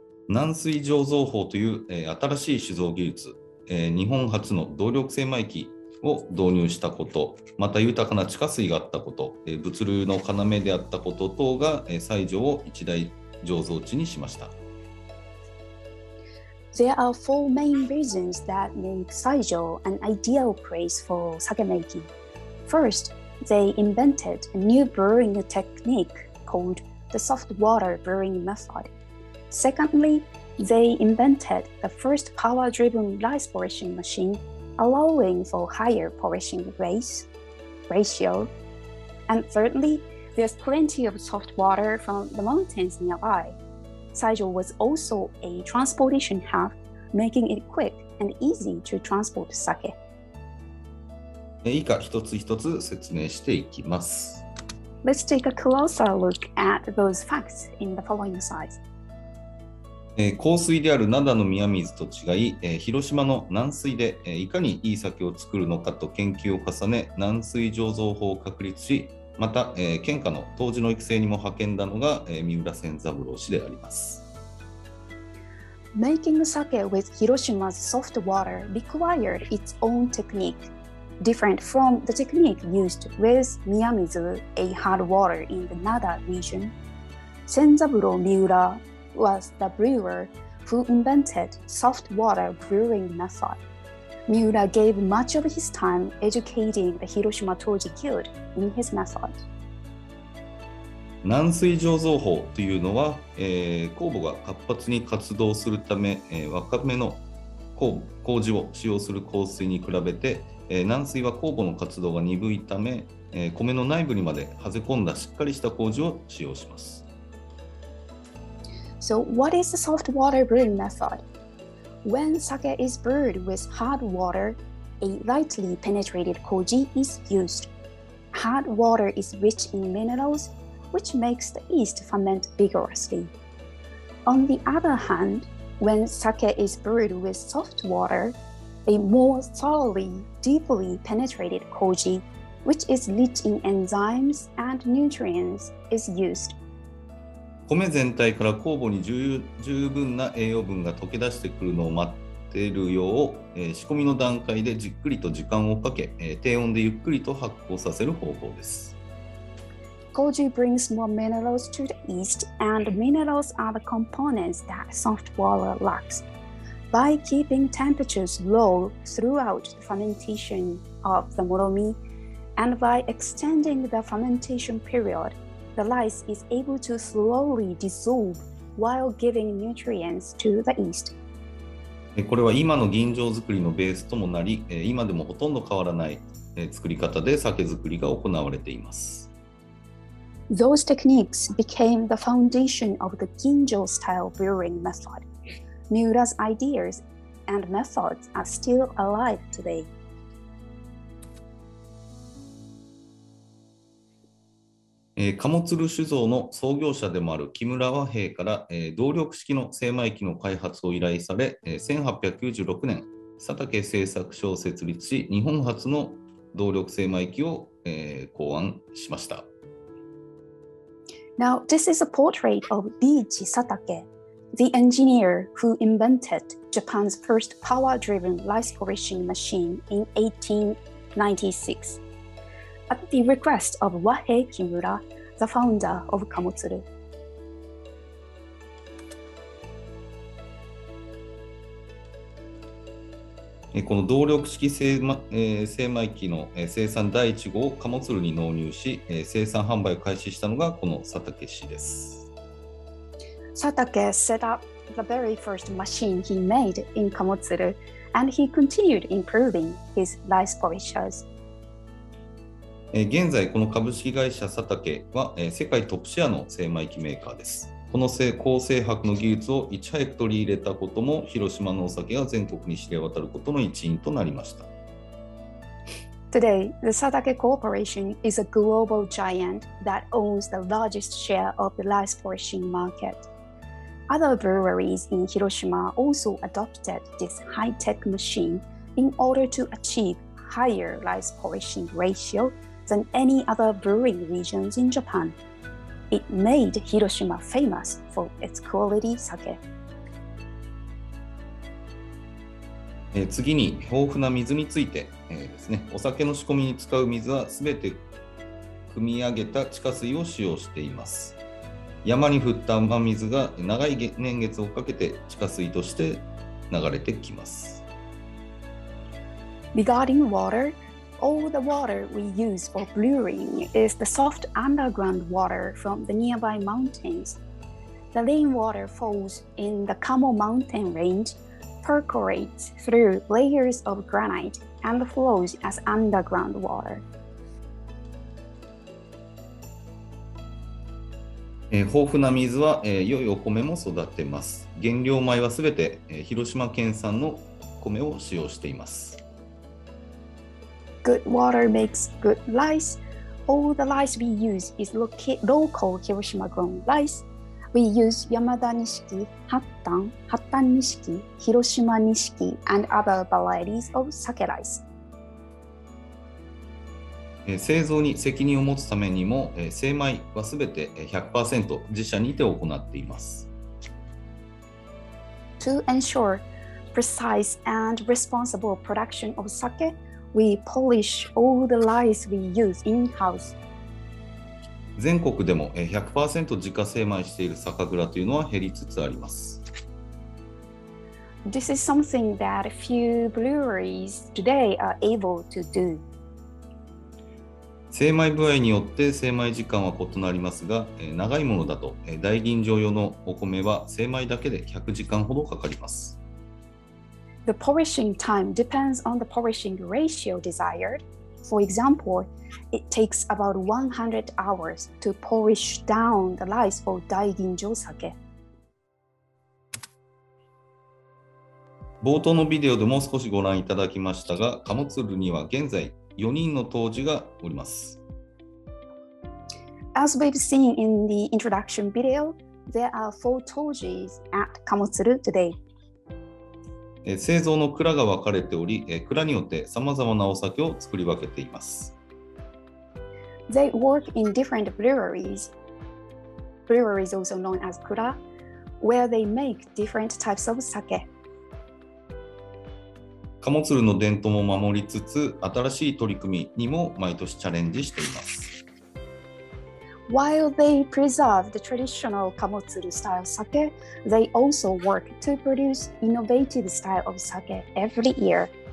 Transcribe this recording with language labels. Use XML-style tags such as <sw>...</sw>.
<ja>軟水醸造法という、新しい酒造技術、日本初の動力精米機を導入したこと、また豊かな地下水があったこと、物流の要であったこと等が、西条を一大醸造地にしました。</ja> <en>There are four main reasons that make Saijo an ideal place for sake making. First, they invented a new brewing technique called the soft water brewing method. Secondly, they invented the first power-driven rice polishing machine, allowing for higher polishing ratio. And thirdly, there's plenty of soft water from the mountains nearby. Saijo was also a transportation hub, making it quick and easy to transport sake.</en> <ja>以下一つ一つ説明していきます。</ja> <en>Let's take a closer look at those facts in the following slides.</en> <ja>硬水である灘の宮水と違い、広島の軟水でいかにいい酒を作るのかと研究を重ね、軟水醸造法を確立し、また、県下の当時の育成にも派遣だのが、三浦仙三郎氏であります。</ja> <en>Making sake with Hiroshima's soft water required its own technique, different from the technique used with Miyamizu, a hard water in the Nada region. 仙三郎Miura was the brewer who invented soft water brewing method. Miura gave much of his time educating the Hiroshima Toji Guild in his method.</en> <ja>軟水醸造法というのは、酵母が活発に活動するため、若めの麹を使用する硬水に比べて、軟水は酵母の活動が鈍いため、米の内部にまではぜ込んだしっかりした麹を使用します。</ja> <en>So what is the soft water brewing method? When sake is brewed with hard water, a lightly penetrated koji is used. Hard water is rich in minerals, which makes the yeast ferment vigorously. On the other hand, when sake is brewed with soft water, a more thoroughly, deeply penetrated koji, which is rich in enzymes and nutrients, is used.</en> <ja>米全体から酵母に十分な栄養分が溶け出してくるのを待っているよう、仕込みの段階でじっくりと時間をかけ、低温でゆっくりと発酵させる方法です。</ja> <en>Koji brings more minerals to the yeast, and minerals are the components that soft water lacks. By keeping temperatures low throughout the fermentation of the moromi, and by extending the fermentation period,The rice is able to slowly dissolve while giving nutrients to the yeast.</en> <ja>これは今の吟醸作りのベースともなり、今でもほとんど変わらない作り方で酒造りが行われています。</ja> <en>Those techniques became the foundation of the 吟醸 style brewing method. Miura's ideas and methods are still alive today.</en> <ja>貨物路酒造の創業者でもある木村和平から、動力式の精米機の開発を依頼され、1896年佐竹製作所を設立し、日本初の動力精米機を、考案しました。</ja> <en>Now this is a portrait of Biichi Satake, the engineer who invented Japan's first power-driven rice polishing machine in 1896. At the request of Wahei Kimura, the founder of Kamotsuru.</en> <ja>この動力式精米機の生産第1号を貨物路に納入し、生産販売を開始したのがこの佐竹氏です。</ja> <en>佐竹 set up the very first machine he made in Kamotsuru, and he continued improving his rice polishers.</en> <ja>現在この株式会社佐竹は世界トップシェアの精米機メーカーです。この高精白の技術をいち早く取り入れたことも広島のお酒が全国に知れ渡ることの一因となりました。</ja> <en>Today, the Sadake Corporation is a global giant that owns the largest share of the rice polishing market. Other breweries in Hiroshima also adopted this high-tech machine in order to achieve higher rice polishing ratio than any other brewing regions in Japan. It made Hiroshima famous for its quality sake.</en> <ja>次に豊富な水について、ですね、お酒の仕込みに使う水はすべて汲み上げた地下水を使用しています。山に降った雨水が長い年月をかけて地下水として流れてきます。</ja> <en>Regarding water,All the water we use for brewing is the soft underground water from the nearby mountains. The rainwater falls in the Kamo mountain range, percolates through layers of granite, and flows as underground water.</en> <ja>豊富な水は、良いお米も育てます。原料米はすべて、広島県産の米を使用しています。</ja> <en>Good water makes good rice. All the rice we use is local Hiroshima grown rice. We use Yamada Nishiki, Hattan, Hattan Nishiki, Hiroshima Nishiki, and other varieties of sake rice.</en> <ja>製造に責任を持つためにも、精米はすべて 100% 自社にて行っています。</ja> <en>To ensure precise and responsible production of sake,We polish all the rice we use in-house.</en> <ja>全国でも 100% 自家精米している酒蔵というのは減りつつあります。</ja> <en>This is something that few breweries today are able to do.</en> <ja>精米部合によって精米時間は異なりますが、長いものだと大吟醸用のお米は精米だけで100時間ほどかかります。</ja> <en>The polishing time depends on the polishing ratio desired. For example, it takes about 100 hours to polish down the rice for daiginjo sake.</en> <ja>冒頭のビデオでも少しご覧いただきましたが、貨物部には現在4人の杜氏がおります。</ja> <en>As we've seen in the introduction video, there are 4 toji's at Kamotsuru today.</en> <ja>製造の蔵が分かれており、蔵によってさまざまなお酒を作り分けています。</ja> <en>They work in different breweries, breweries also known as kura, where they make different types of sake.</en> <ja>貨物路の伝統も守りつつ、新しい取り組みにも毎年チャレンジしています。</ja> <en>While they preserve the traditional Kamotsuru style sake, they also work to produce innovative style of sake every year.</en>